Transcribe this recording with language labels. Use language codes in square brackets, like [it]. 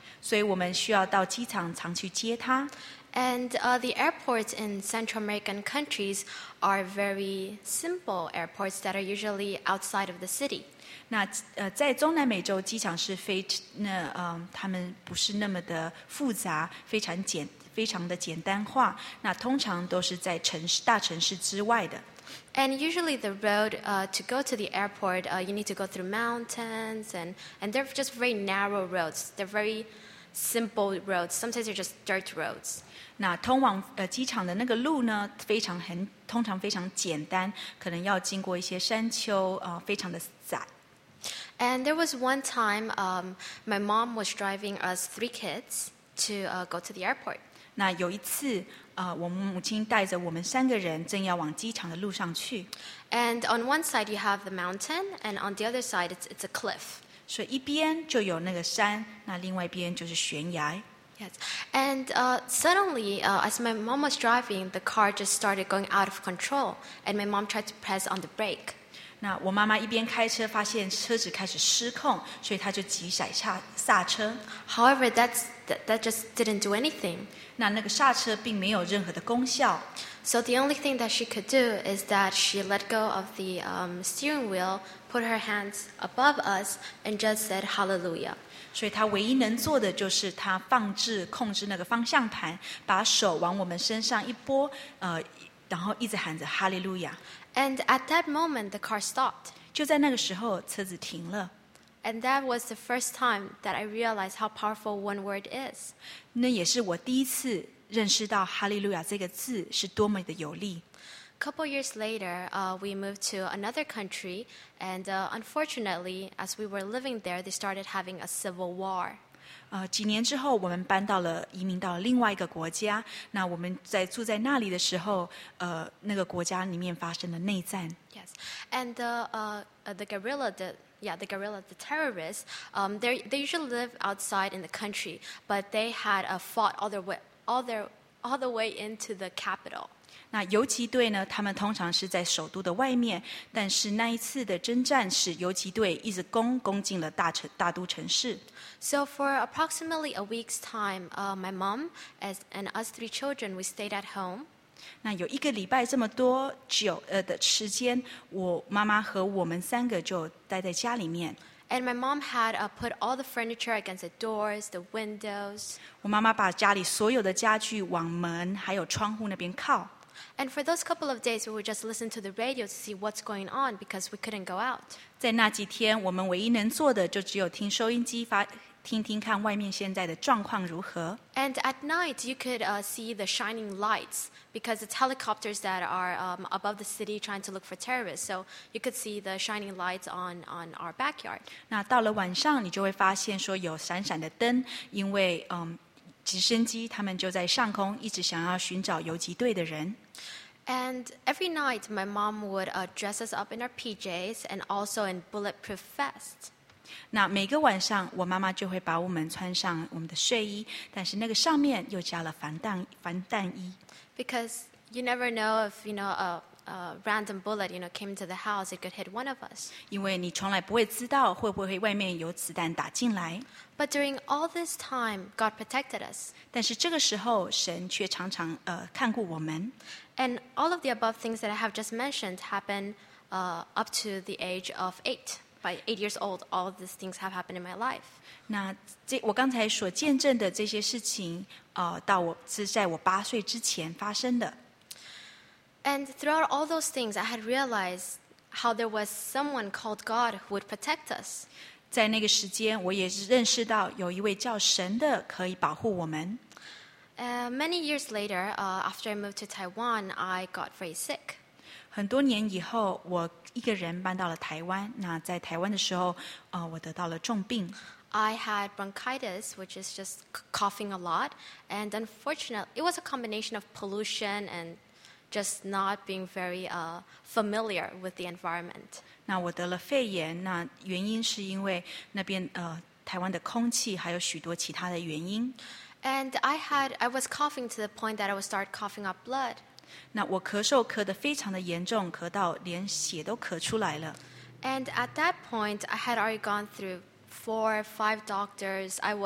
[zh] 所以我们需要到机场常去接他。 [en] And the airports in Central American countries are very simple airports that are usually outside of the city. [zh] 那在中南美洲机场是非那他们不是那么的复杂，非常的简单化。那通常都是在大城市之外的。 [en] And usually the road to go to the airport, you need to go through mountains, and they're just very narrow roads. They're very simple roads. Sometimes they're just dirt roads. [zh] 那通往机场的那个路呢，通常非常简单，可能要经过一些山丘，非常的窄。 [en] And there was one time, my mom was driving us three kids to go to the airport. [zh] 那有一次。我母亲带着我们三个人正要往机场的路上去。 [en] And on one side you have the mountain, and on the other side it's a cliff. [zh] 所以一边就有那个山，那另外一边就是悬崖。 [en] Yes. And suddenly, as my mom was driving, the car just started going out of control, and my mom tried to press on the brake. [zh] 那我妈妈一边开车，发现车子开始失控，所以她就急踩刹车。 [en] However, that just didn't do anything. [zh] 那个刹车并没有任何的功效。 [en] So the only thing that she could do is that she let go of the steering wheel, put her hands above us, and just said hallelujah. [zh] 所以她唯一能做的就是她控制那个方向盘，把手往我们身上一拨，然后一直喊着哈利路亚。 [en] And at that moment, the car stopped. [zh] 就在那个时候，车子停了。 [en] And that was the first time that I realized how powerful one word is. [zh] 那也是我第一次认识到哈利路亚这个字是多么的有力。 [en] A couple years later, we moved to another country, and unfortunately, as we were living there, they started having a civil war. [zh] 几年之后我们搬到了移民到了另外一个国家，那我们在住在那里的时候，那个国家里面发生了内战。 [en] Yes. And the guerrilla, the terrorists, they usually live outside in the country, but they had fought all the way into the capital. [zh] 那游击队呢，他们通常是在首都的外面，但是那一次的征战使游击队一直攻进了大都城市。 [en] So for approximately a week's time, my mom and us three children, we stayed at home. [zh] 那有一个礼拜这么多久的时间，我妈妈和我们三个就待在家里面。 [en] And my mom had put all the furniture against the doors, the windows. [zh] 我妈妈把家里所有的家具往门还有窗户那边靠。 [en] And for those couple of days, we would just listen to the radio to see what's going on because we couldn't go out. [zh] 在那几天，我们唯一能做的就只有听收音机听听看外面现在的状况如何。 [en] And at night, you could see the shining lights because it's helicopters that are above the city trying to look for terrorists. So you could see the shining lights on our backyard. [zh] 那到了晚上，你就会发现说有闪闪的灯，因为直升机他们就在上空一直想要寻找游击队的人。 [en] And every night, my mom would dress us up in our PJs and also in bulletproof vests. [zh] 那每个晚上，我妈妈就会把我们穿上我们的睡衣，但是那个上面又加了防弹衣。 [en] Because you never know if you know a random bullet, you know, came into the house, it could hit one of us. [zh] 因为你从来不会知道会不会外面有子弹打进来。 [en] But during all this time, God protected us. [zh] 但是这个时候，神却常常看顾我们。 [en] And all of the above things that I have just mentioned happened up to the age of 8. By 8 years old, all of these things have happened in my life. [zh] 那这我刚才所见证的这些事情，到我是在我八岁之前发生的。 [en] And throughout all those things, I had realized how there was someone called God who would protect us. [zh] 在那个时间，我也认识到有一位叫神的可以保护我们。 [en] Many years later, after I moved to Taiwan, I got very sick. [zh] 很多年以后，我一个人搬到了台湾。那在台湾的时候，我得到了重病。 [en] I had bronchitis, which is just coughing a lot. And unfortunately, it was a combination of pollution and just not being very familiar with the environment. [zh] 那我得了肺炎，那原因是因为那边台湾的空气还有许多其他的原因。 [en] And I was coughing to the point that I would start coughing up blood. [zh] 那我咳嗽咳得非常的严重，咳到连血都咳出来了。 [en] And at that point, I had already gone through 4 or 5 doctors.